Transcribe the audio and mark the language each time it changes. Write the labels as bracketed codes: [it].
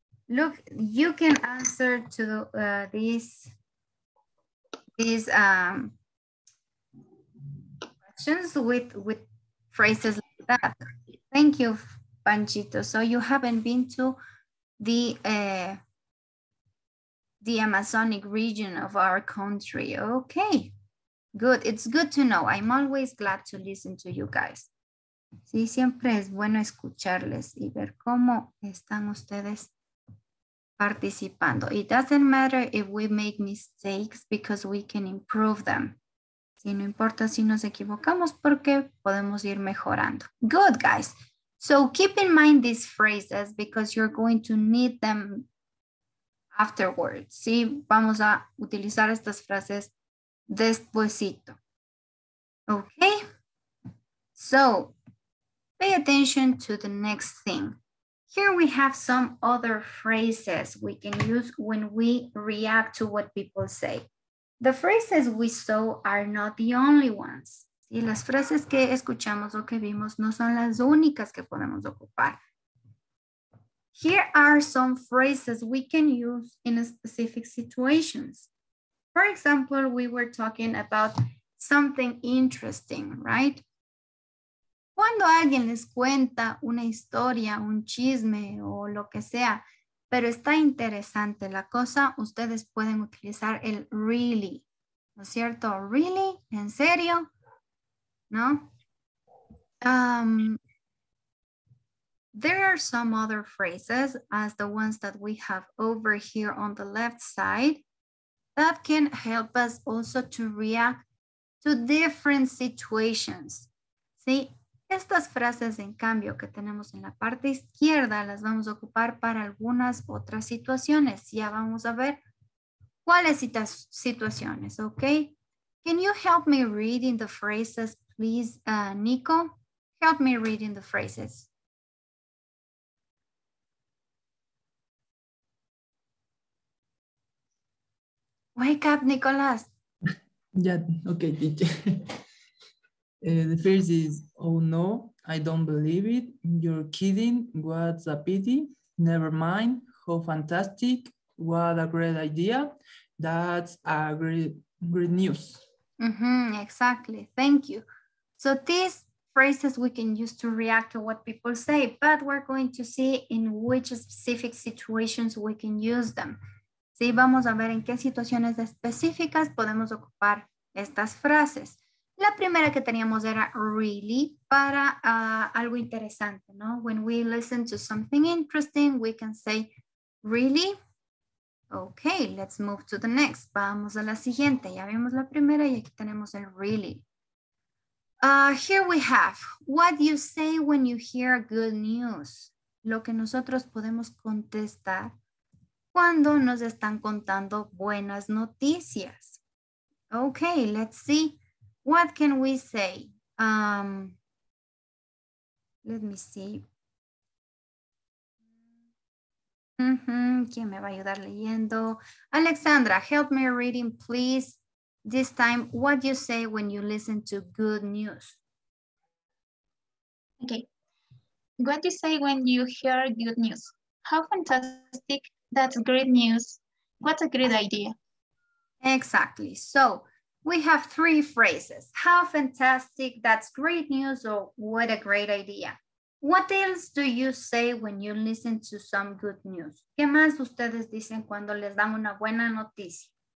[en] Look, you can answer to these questions with phrases like that. Thank you, Panchito. So you haven't been to the Amazonic region of our country. Okay, good. It's good to know. I'm always glad to listen to you guys. [es] Sí, siempre es bueno escucharles y ver cómo están ustedes participando. [en] It doesn't matter if we make mistakes because we can improve them. [es] Si no importa si nos equivocamos porque podemos ir mejorando. [en] Good, guys. So keep in mind these phrases because you're going to need them afterwards. Sí, vamos a utilizar estas frases despuesito. Okay. So pay attention to the next thing. Here we have some other phrases we can use when we react to what people say. The phrases we saw are not the only ones. [es] Y las frases que escuchamos o que vimos no son las únicas que podemos ocupar. [en] Here are some phrases we can use in specific situations. For example, we were talking about something interesting, right? [es] Cuando alguien les cuenta una historia, un chisme o lo que sea, pero está interesante la cosa, ustedes pueden utilizar el really, ¿no es cierto? Really, ¿en serio? ¿No? [en] There are some other phrases as the ones that we have over here on the left side that can help us also to react to different situations. [es] ¿Sí? Estas frases, en cambio, que tenemos en la parte izquierda, las vamos a ocupar para algunas otras situaciones. Ya vamos a ver cuáles situaciones, ¿ok? [en] Can you help me reading the phrases, please, Nico? Help me reading the phrases. Wake up, Nicolás. Yeah, okay, teacher. The first is, oh no, I don't believe it. You're kidding. What's a pity. Never mind. How fantastic. What a great idea. That's a great news. Mm-hmm, exactly. Thank you. So these phrases we can use to react to what people say, but we're going to see in which specific situations we can use them. [es] Sí, vamos a ver en qué situaciones específicas podemos ocupar estas frases. La primera que teníamos era really para algo interesante, ¿no? [en] When we listen to something interesting, we can say really. Okay, let's move to the next. [es] Vamos a la siguiente. Ya vimos la primera y aquí tenemos el really. [en] Here we have what you say when you hear good news. [es] Lo que nosotros podemos contestar cuando nos están contando buenas noticias. [en] Okay, let's see. What can we say? Let me see. [es] Mm-hmm. ¿Quién me va a ayudar leyendo? Alexandra, [en] help me reading, please. This time, what you say when you listen to good news? Okay. What you say when you hear good news? How fantastic. That's great news. What a great idea. Exactly. So we have three phrases. How fantastic. That's great news. Or what a great idea. What else do you say when you listen to some good news? [es] ¿Qué más ustedes dicen cuando les dan una buena noticia?